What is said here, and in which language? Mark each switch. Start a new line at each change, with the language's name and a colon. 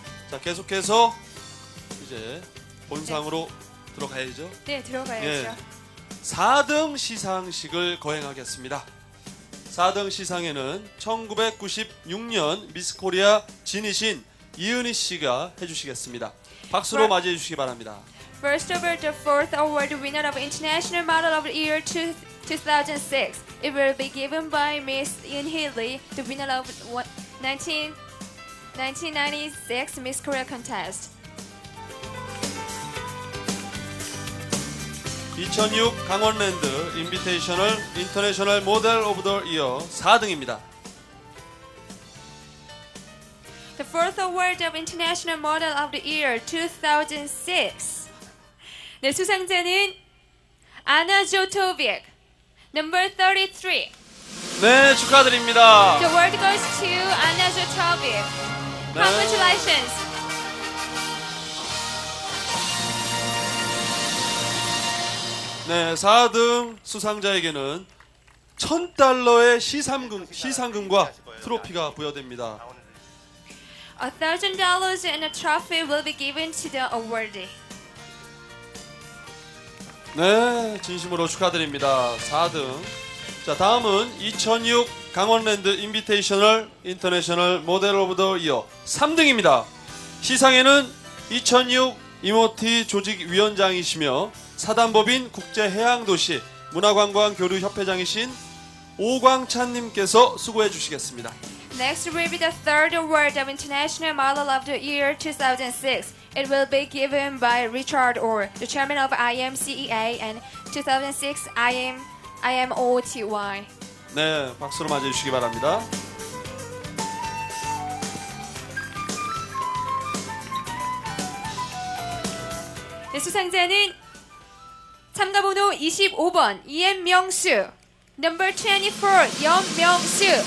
Korean: 자 계속해서 이제 본상으로 네. 들어가야죠. 네 들어가야죠. 네, 4등 시상식을 거행하겠습니다. 4등 시상에는 1996년 미스코리아 진이신 이은희 씨가 해주시겠습니다. 박수로 맞이해 주시기 바랍니다.
English: First of all, the fourth award winner of International Model of the Year 2006. It will be given by Miss Yun Haley, the winner of 1996 Miss Korea Contest
Korean: 2006 강원랜드 인비테이셔널 인터내셔널 모델 오브 더 이어 4등입니다
English: The fourth award of International Model of the Year 2006
Korean: 네, 수상자는
English: 아나 조토빅 Number 33
Korean: 네, 축하드립니다
English: The award goes to 아나 조토빅 Congratulations.
Korean: 네, 4등 수상자에게는 $1,000의 시상금과 트로피가 부여됩니다.
English: $1,000 and a trophy will be given to the awardee.
Korean: 네, 진심으로 축하드립니다. 4등. 자, 다음은 2006 강원랜드 인비테이셔널 인터내셔널 모델 오브 더 이어 3등입니다. 시상에는 2006 이모티 조직위원장이시며 사단법인 국제해양도시 문화관광교류협회장이신 오광찬님께서 수고해 주시겠습니다.
English: Next will be the third award of International Model of the Year 2006. It will be given by Richard Orr, the chairman of IMCEA and 2006 IMOTY.
Korean: 네, 박수로 맞아주시기 바랍니다. 네, 수상자는 참가 번호 25번 이엠명수, number 24 염명수.